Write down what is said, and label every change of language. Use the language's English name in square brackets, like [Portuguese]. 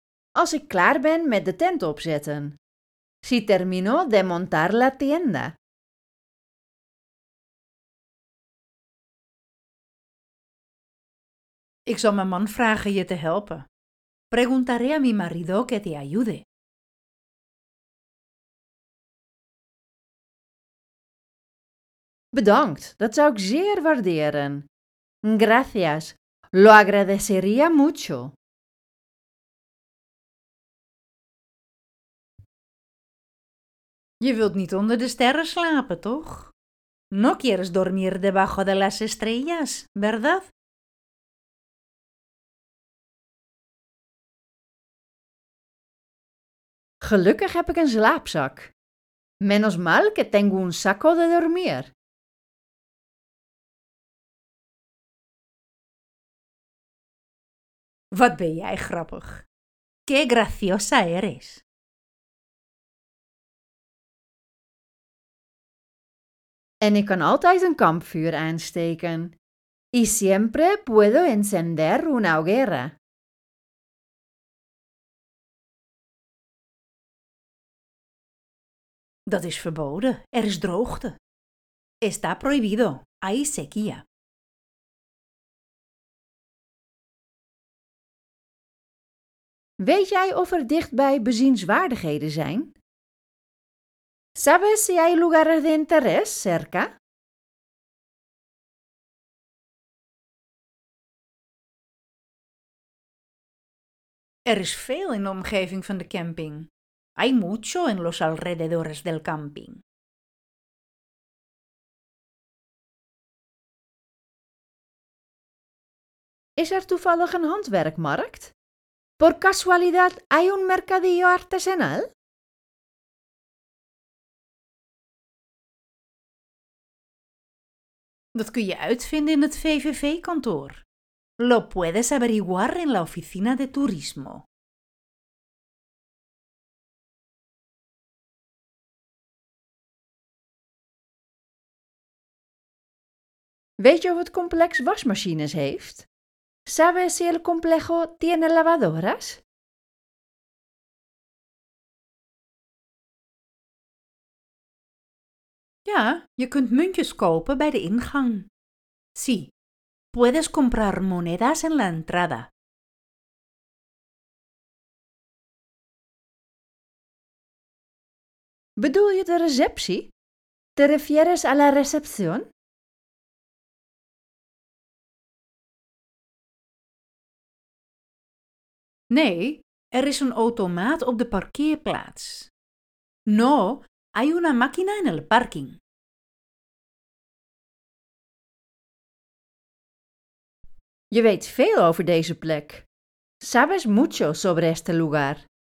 [Dutch] Als ik klaar ben met de tent opzetten. [Spanish] Si termino de montar la tienda. [Dutch] Ik zal mijn man vragen je te helpen. [Spanish] Preguntaré a mi marido que te ayude. [Dutch] Bedankt, dat zou ik zeer waarderen. [Spanish] Gracias, lo agradecería mucho. [Dutch] Je wilt niet onder de sterren slapen, toch? [Spanish] No quieres dormir debajo de las estrellas, ¿verdad? [Dutch] Gelukkig heb ik een slaapzak. [Spanish] Menos mal que tengo un saco de dormir. [Dutch] Wat ben jij grappig. [Spanish] Qué graciosa eres. [Dutch] En ik kan altijd een kampvuur aansteken. [Spanish] Y siempre puedo encender una hoguera. [Dutch] Dat is verboden. Er is droogte. [Spanish] Está prohibido. Hay sequía. [Dutch] Weet jij of er dichtbij bezienswaardigheden zijn? [Spanish] ¿Sabes si hay lugares de interés cerca? [Dutch] Er is veel in de omgeving van de camping. [Spanish] Hay mucho en los alrededores del camping. [Dutch] Is er toevallig een handwerkmarkt? [Spanish] Por casualidad hay un mercadillo artesanal? [Dutch] Dat kun je uitvinden in het VVV-kantoor. [Spanish] Lo puedes averiguar en la oficina de turismo. [Dutch] Weet je of het complex wasmachines heeft? [Spanish] ¿Sabes si el complejo tiene lavadoras? [Dutch] Ja, je kunt muntjes kopen bij de ingang. [Spanish] Sí, puedes comprar monedas en la entrada. [Dutch] Bedoel je de receptie? [Spanish] ¿Te refieres a la recepción? [Dutch] Nee, er is een automaat op de parkeerplaats. [Spanish] No, hay una máquina en el parking. [Dutch] Je weet veel over deze plek. [Spanish] Sabes mucho sobre este lugar.